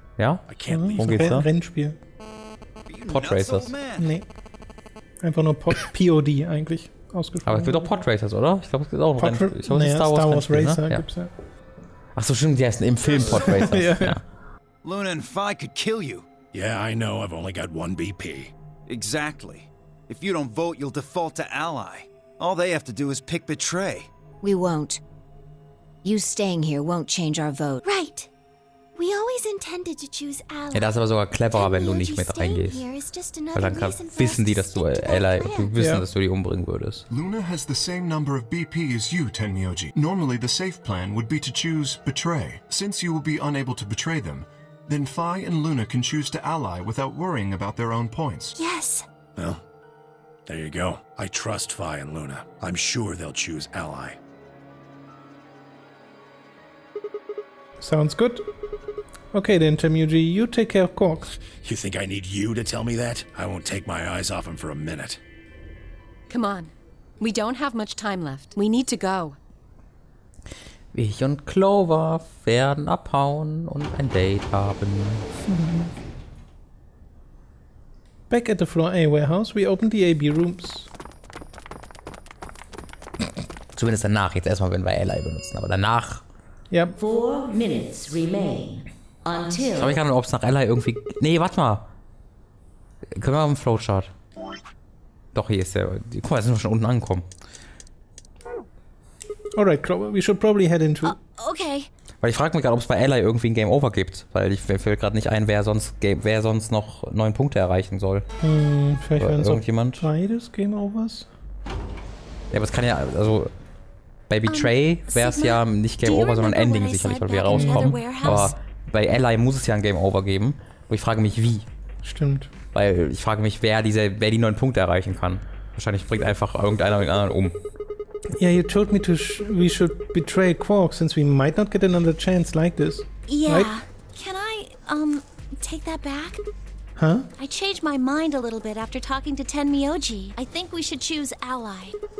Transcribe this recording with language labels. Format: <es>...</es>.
<de>Ja? Worum geht's da? Ein Rennspiel. Pod Racers. Nee. Einfach nur Pod, P.O.D. eigentlich, ausgesprochen. Aber es gibt auch Pod Racers, oder? Ich glaube, es gibt auch ein Rennspiel. Naja, Star Wars, Racer ne? Ja. Gibt's ja. Ach so, stimmt, die heißen im Film Pod Racers. Ja. Ja.</de> <en>Luna and Fi could kill you. Yeah, I know, I've only got one BP. Exactly. If you don't vote, you'll default to ally. All they have to do is pick betray. We won't. You staying here won't change our vote. Right. We always intended to choose ally.</en> <de>Ja, das ist aber sogar cleverer, wenn du nicht mit reingehst. Weil dann kann, wissen die, dass du ally, du wissen, dass du die umbringen würdest.</de> <en>Luna has the same number of BP as you, Tenmyoji. Normally the safe plan would be to choose betray. Since you will be unable to betray them, then Fi and Luna can choose to ally without worrying about their own points. Yes. Well. There you go. I trust Fi and Luna. I'm sure they'll choose ally. Sounds good. Okay then, Tenmyoji, you take care of Cork. You think I need you to tell me that? I won't take my eyes off him for a minute. Come on. We don't have much time left. We need to go.</en> <de>Ich und Clover werden abhauen und ein Date haben.</de> <en>Back at the Floor A Warehouse, we open the AB Rooms.</en> <de>Zumindest danach, jetzt erstmal, wenn wir Ally benutzen, aber danach. Ja.</de> <en>Yep.</en> <de>Schau ich gerade, ob es nach Ally irgendwie. Nee, warte mal. Können wir auf den Flowchart? Doch, hier ist der. Guck mal, jetzt sind wir schon unten angekommen.</de> <en>Alright, Clover, we should probably head into. Okay.</en> <de>Weil ich frage mich gerade, ob es bei Ally irgendwie ein Game Over gibt. Weil ich fällt gerade nicht ein, wer sonst noch 9 Punkte erreichen soll. Vielleicht wären es beides Game Overs? Ja, aber es kann ja, also bei Betray wäre es ja nicht Game Over, sondern Ending sicherlich, weil wir rauskommen. Aber bei Ally muss es ja ein Game Over geben. Und ich frage mich, wie. Stimmt. Weil ich frage mich, wer die 9 Punkte erreichen kann. Wahrscheinlich bringt einfach irgendeiner den anderen um.</de> <en>Yeah, you told me to we should betray Quark since we might not get another chance like this. Yeah. Right? Can I take that back? Huh? I changed my mind a little bit after talking to Tenmyoji. I think we should choose ally.</en>